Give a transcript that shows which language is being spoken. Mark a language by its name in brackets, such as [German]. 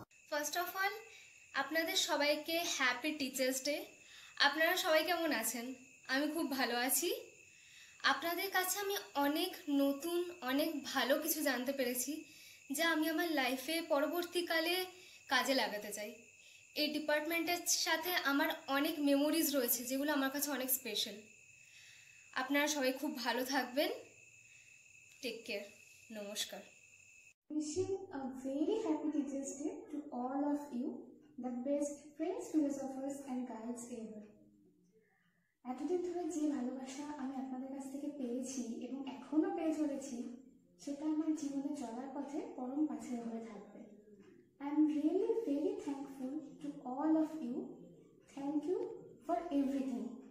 [Bangla] First of all আপনাদের সবাইকে happy teachers day আপনারা সবাই কেমন আছেন আমি খুব ভালো আছি আপনাদের কাছে আমি অনেক নতুন অনেক ভালো কিছু জানতে পেরেছি যা আমি আমার লাইফে পরবর্তীকালে কাজে লাগাতে চাই এই ডিপার্টমেন্টের সাথে আমার অনেক মেমোরিজ রয়েছে যেগুলো আমার কাছে অনেক স্পেশাল আপনারা সবাই খুব ভালো থাকবেন টেক কেয়ার নমস্কার [English] Wishing a very happy Teacher's Day to all of you, the best friends, philosophers and guides ever. [Bangla] এতদিন ধরে যে ভালোবাসা আমি আপনাদের কাছ থেকে পেয়েছি এবং এখনও পেয়ে চলেছি সেটা আমার জীবনে চলার পথে পরম কাছে হয়ে থাকবে [English] I am really very thankful to all of you thank you for everything.